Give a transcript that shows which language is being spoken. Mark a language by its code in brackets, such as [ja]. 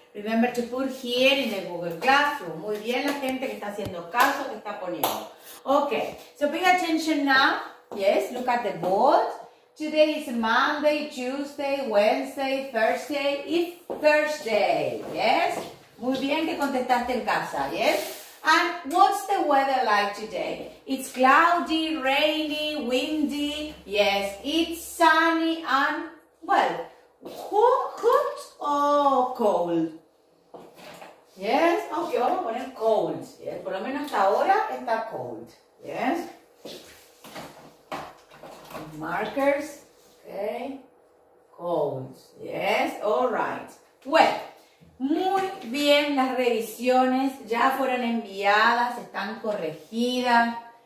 [en] Remember to put here in the Google Classroom. [es] Muy bien, la gente que está haciendo caso, que está poniendo. [en] Okay, so pay attention now. Yes, look at the board. Today is Monday, Tuesday, Wednesday, Thursday. It's Thursday. Yes? [es] Muy bien que contestaste en casa. [en] Yes? And what's the weather like today? It's cloudy, rainy, windy. Yes, it's sunny and, well, hot or cold? Yes, ok, vamos a poner cold. Yes. [es] Por lo menos hasta ahora está cold. [en] Yes. Markers, ok. Cold, yes, all right. Well. [es] Muy bien, las revisiones ya fueron enviadas, están corregidas.